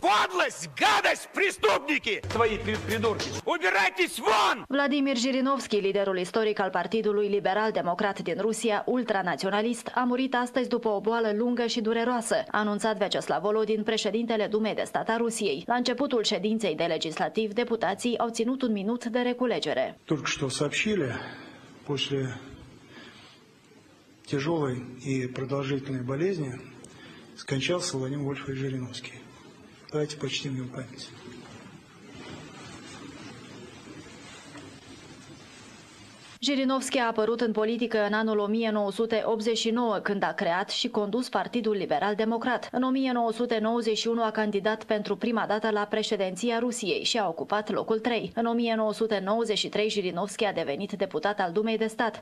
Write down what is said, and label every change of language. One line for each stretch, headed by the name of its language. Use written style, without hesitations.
Russian: Подлость, гадость, преступники! Твои придурки! Убирайтесь вон!
Romanian: Владимир Жириновский, лидерul istoric al Partidului Liberal-Democrat din Rusia, ultranaționalist, a murit astăzi după o boală lungă și dureroasă, a anunțat Vyacheslav Volodin, președintele Dumei de stat a Rusiei. La începutul ședinței de legislativ, deputații au ținut un minut de reculegere.
Russian: Только что сообщили, после тяжелой и продолжительной болезни скончался Владимир Вольфович Жириновский. Давайте почтим его память.
Romanian: Jirinovski a apărut în politică în anul 1989, când a creat și condus Partidul Liberal-Democrat. În 1991 a candidat pentru prima dată la președinția Rusiei și a ocupat locul 3. În 1993, Jirinovski a devenit deputat al Dumei de stat.